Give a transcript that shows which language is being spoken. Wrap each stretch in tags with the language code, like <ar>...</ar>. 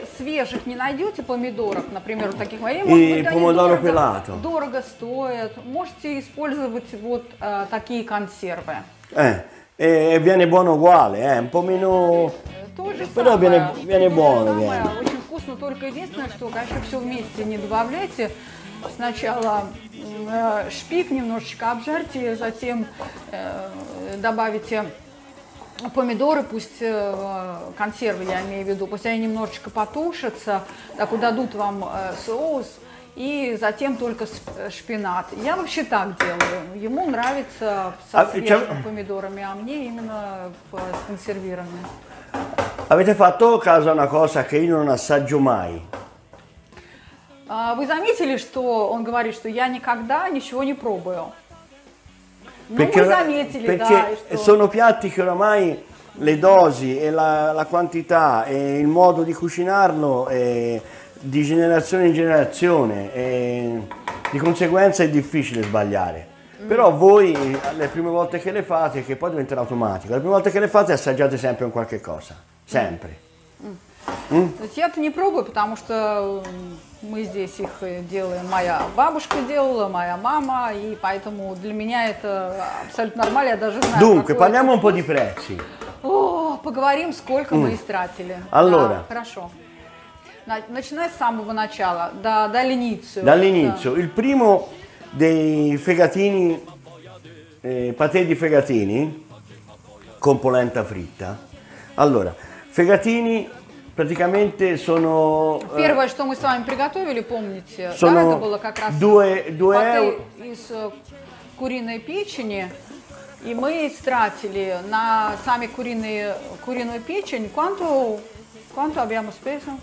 <ru>Se свежих не найдете помидорок, например, таких моих, и помодоро пелато. Дорого стоят, можете использовать вот такие консервы.</ru> <it>E viene buono uguale, un po' meno... Però viene buono, viene.</it> <ru>Очень вкусно, только единственное, что, конечно, все вместе не добавляйте. Сначала шпик немножечко обжарьте, затем добавите помидоры, пусть консервы, я имею в виду, пусть они немножечко потушатся, так удадут вам соус, и затем только шпинат. Я вообще так делаю. Ему нравится со свежими помидорами, а мне именно с консервированными.</ru> <it>Avete fatto caso a una cosa che io non assaggio mai?</it> <ru>Вы заметили, что он говорит, что я никогда ничего не пробую?</ru> <it>Perché,</it> <ru>ну, мы заметили,</ru> <it>perché да. Perché sono piatti che ormai le dosi e la quantità e il modo di cucinarlo è di generazione in generazione e di conseguenza è difficile sbagliare. Però voi le prime volte che le fate, che poi diventerà automatico, le prime volte che le fate assaggiate sempre un qualche cosa. Sempre.</it> <ru>То есть я-то не пробую, потому что мы здесь их делаем. Моя бабушка делала, моя мама, и поэтому для меня это абсолютно нормально, я даже знаю. Думка, поднимем по дифференции. О, поговорим, сколько мы истратили.</ru> <it>Allora. Да,</it> <ru>хорошо. Начинай с самого начала,</ru> <it>дall'inizio. Dall'inizio. Il primo dei fegatini, patè di fegatini con polenta fritta. Allora, fegatini praticamente sono...</it> <ru>Первое, что мы с вами приготовили, помните, sono, да, это было как раз</ru> <it>due</it> <ru>патè из куриной печени. И мы истратили на сами куриную печень.</ru> <it>Quanto abbiamo speso?</it>